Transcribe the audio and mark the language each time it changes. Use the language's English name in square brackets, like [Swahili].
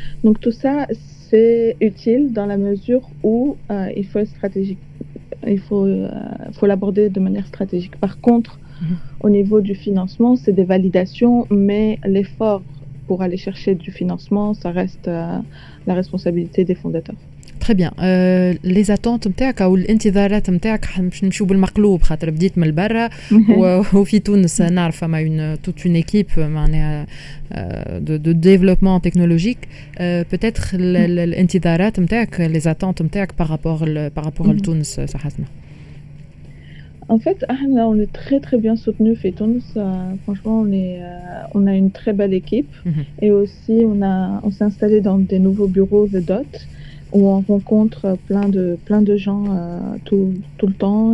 [French] Donc tout ça, c'est utile dans la mesure où il faut être stratégique. Il faut l'aborder de manière stratégique. Par contre, au niveau du financement, c'est des validations, mais l'effort pour aller chercher du financement, ça reste la responsabilité des fondateurs. Très bien. Les attentes [Arabic] نتاعك ou الانتظارات نتاعك باش نمشيو بالمقلوب خاطر بديت من برا وفي تونس نعرف فما [French] toute une équipe de développement technologique. Peut-être l'intidarat نتاعك, les attentes نتاعك par rapport au Tunis, ça حسنا. En fait, on est très très bien soutenu chez Tunis. Franchement, on a une très belle équipe et aussi on s'est installé dans des nouveaux bureaux The Dot, où on rencontre plein de gens tout le temps.